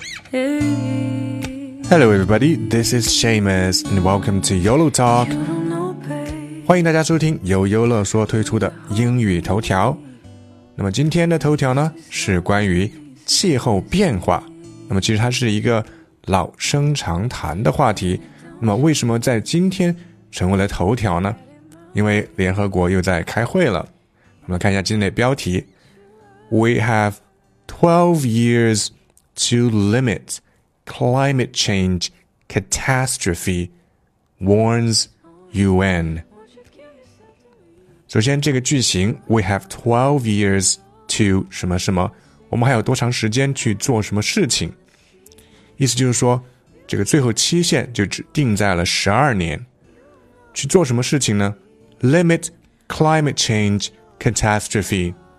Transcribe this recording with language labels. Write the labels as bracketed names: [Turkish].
[English] Hello everybody, this is Seamus and welcome to YOLO Talk. [Chinese] 欢迎大家收听由优乐说推出的英语头条。那么今天的头条呢，是关于气候变化。那么其实它是一个老生常谈的话题，那么为什么在今天成为了头条呢？因为联合国又在开会了。我们来看一下今天的标题。 [English] We have 12 years to limit climate change catastrophe, warns UN. [Chinese] 首先这个句型 , [English] we have 12 years to [Chinese] 什么什么，我们还有多长时间去做什么事情。意思就是说这个最后期限就只定在了12年。去做什么事情呢？ [English] Limit climate change catastrophe.